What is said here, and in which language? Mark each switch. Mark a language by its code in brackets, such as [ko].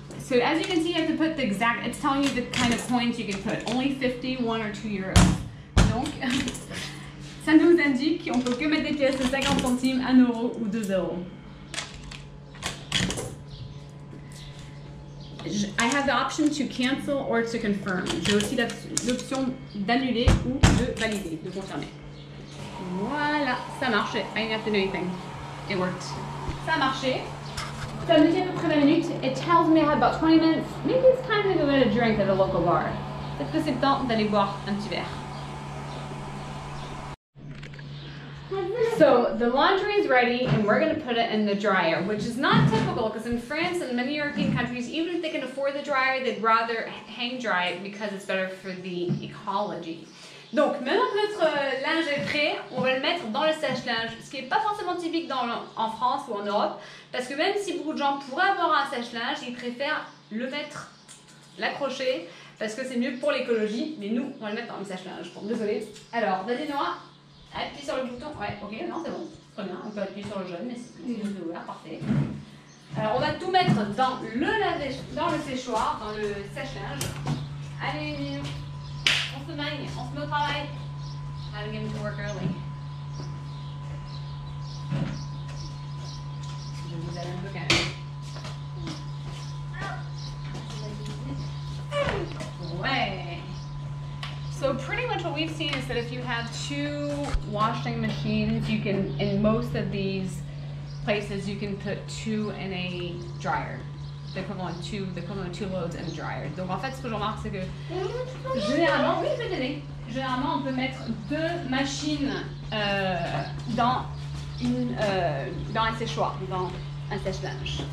[en] So as you can see, you have to put the exact, it's telling you the kind of coins you can put. Only 50, 1 or 2 euros. [fr] Donc, ça nous indique qu'on peut que mettre des pièces de 50 centimes, 1 euro ou 2 euros. [en] I have the option to cancel or to confirm. [fr] J'ai aussi l'option d'annuler ou de valider, de confirmer. Voilà, ça marche. [en] I didn't have to do anything. It worked. [fr] Ça a marché. Ça me dit à peu près 20 minutes. [en] It tells me I have about 20 minutes. Maybe it's time to go get a drink at a local bar. [fr] Peut-être que c'est le temps d'aller boire un petit verre. [en] So the laundry is ready and we're going to put it in the dryer, which is not typical because in France and many European countries, even if they can afford the dryer, they'd rather hang dry it because it's better for the ecology. [fr] Donc maintenant que notre linge est prêt, on va le mettre dans le sèche-linge, ce qui n'est pas forcément typique dans, en France ou en Europe, parce que même si beaucoup de gens pourraient avoir un sèche-linge, ils préfèrent le mettre, l'accrocher, parce que c'est mieux pour l'écologie, mais nous, on va le mettre dans le sèche-linge. Bon, désolé. Alors, vas-y Noah. Appuie sur le bouton, ouais, ok, non, c'est bon, très bien, on peut appuyer sur le jaune, mais c'est plus ouvert, parfait. Alors, on va tout mettre dans le laver, dans le séchoir, dans le sèche-linge. Allez, Mignon, on se manie, on se met au travail. [en] Having him to work early. [fr] Je vous aide un peu quand même. Ouais. [en] So pretty much what we've seen is that if you have two washing machines, you can, in most of these places, you can put two in a dryer. The equivalent of two loads in a dryer. [fr] Donc en fait, ce que je remarque, c'est que généralement, oui, je vais t'aider. Généralement, on peut mettre deux machines dans un séchoir, dans un sèche-linge.